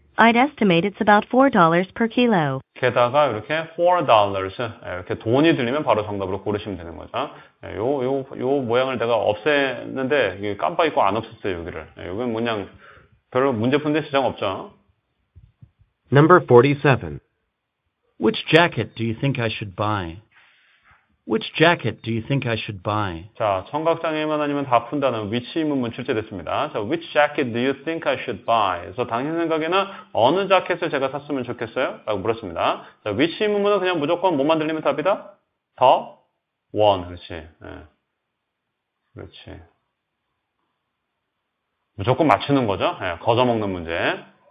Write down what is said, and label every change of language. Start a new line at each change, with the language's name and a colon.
English: I'd estimate it's about $4 per kilo.
Korean: 게다가 이렇게 $4. 이렇게 돈이 들리면 바로 정답으로 고르시면 되는 거죠. 요 모양을 내가 없앴는데 깜빡 잊고 안 없앴어요, 여기를. 요건 그냥 별로 문제 푼데 시장 없죠.
English: Number 47. Which jacket do you think I should buy? Which jacket do you think I should buy?
Korean: 자, 청각장애만 아니면 다 푼다는 위치 문문 출제됐습니다.
English: 자, which jacket do you think I should buy?
Korean: 그래서 당신 생각에는 어느 자켓을 제가 샀으면 좋겠어요? 라고 물었습니다. 자, 위치 문문은 그냥 무조건 뭐만 들리면 답이다?
English: The one.
Korean: 그렇지. 네. 그렇지. 무조건 맞추는 거죠? 네, 거저먹는 문제.